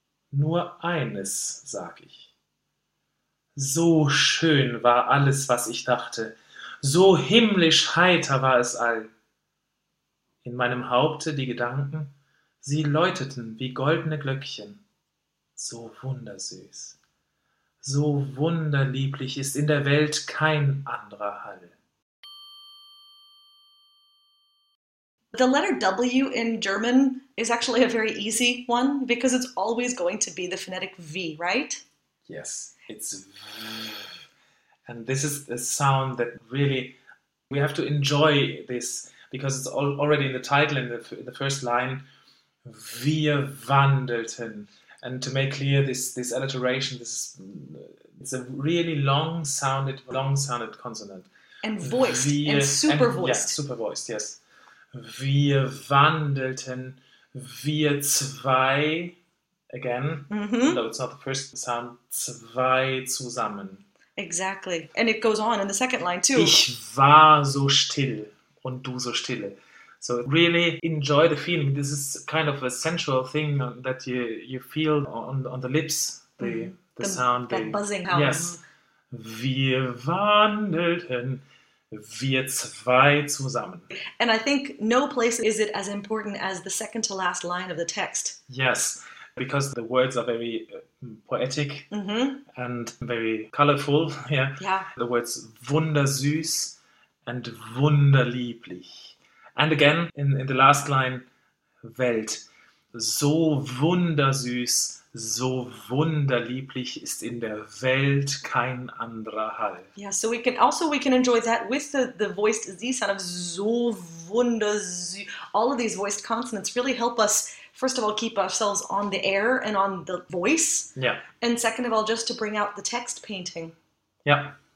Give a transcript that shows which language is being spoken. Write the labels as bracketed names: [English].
[German] Nur eines sag ich. So schön war alles, was ich dachte, so himmlisch heiter war es all. In meinem Haupte die Gedanken, sie läuteten wie goldene Glöckchen. So wundersüß, so wunderlieblich ist in der Welt kein anderer Hall. [English] The letter W in German is actually a very easy one because it's always going to be the phonetic V, right? Yes, it's V. And this is a sound that really, we have to enjoy this because it's already in the title, in the first line, [German] Wir wandelten. [English] And to make clear this alliteration, it's a really long-sounded consonant. And voiced, super-voiced. Yes, super-voiced, yes. [German] Wir wandelten, wir zwei, [English] again, though it's not the first sound, [German] zwei zusammen. [English] Exactly. And it goes on in the second line too. [German] Ich war so still und du so stille. [English] So really enjoy the feeling. This is kind of a sensual thing that you feel on the lips, the sound. That buzzing house. Yes. [German] Wir wandelten. Wir zwei zusammen. [English] And I think no place is it as important as the second to last line of the text. Yes, because the words are very poetic and very colorful. Yeah. The words wundersüß and wunderlieblich. And again, in the last line, Welt. [German] So wundersüß, so wunderlieblich ist in der Welt kein anderer Hall. [English] Yeah, so we can enjoy that with the voiced Z sound of [German] so wundersüß. [English] All of these voiced consonants really help us, first of all, keep ourselves on the air and on the voice. Yeah. And second of all, just to bring out the text painting. Yeah.